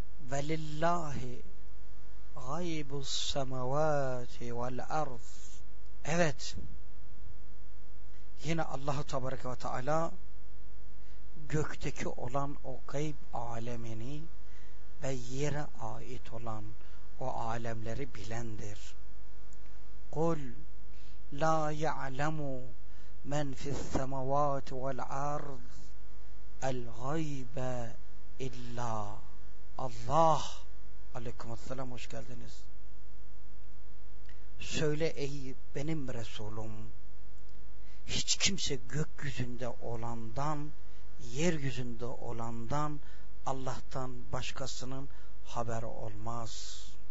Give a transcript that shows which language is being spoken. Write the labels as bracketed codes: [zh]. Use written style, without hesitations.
[ar] وَلِلَّهِ غَيْبُ السَّمَوَاتِ وَالْأَرْضِ. [tr] Evet, yine Allah-u Tebarek ve Teala gökteki olan o gayb alemini ve yere ait olan o alemleri bilendir. [ar] قُلْ لَا يَعْلَمُ مَنْ فِي السَّمَوَاتِ وَالْأَرْضِ الْغَيْبَ إِلَّا Allah. [tr] Aleyküm selam, hoş geldiniz. Söyle ey benim Resulüm, hiç kimse gökyüzünde olandan, yeryüzünde olandan Allah'tan başkasının haberi olmaz.